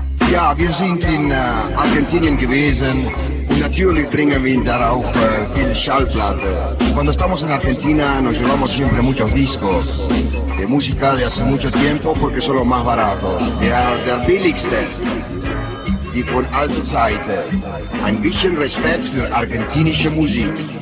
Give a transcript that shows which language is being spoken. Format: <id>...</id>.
<de>Ja, wir sind in Argentinien gewesen und natürlich bringen wir darauf viel Schallplatte.</de> <es>Cuando estamos en Argentina nos llevamos siempre muchos discos de música de hace mucho tiempo porque son los más baratos.</es> <de>Der billigste, die von alten Zeiten. Ein bisschen Respekt für argentinische Musik.</de>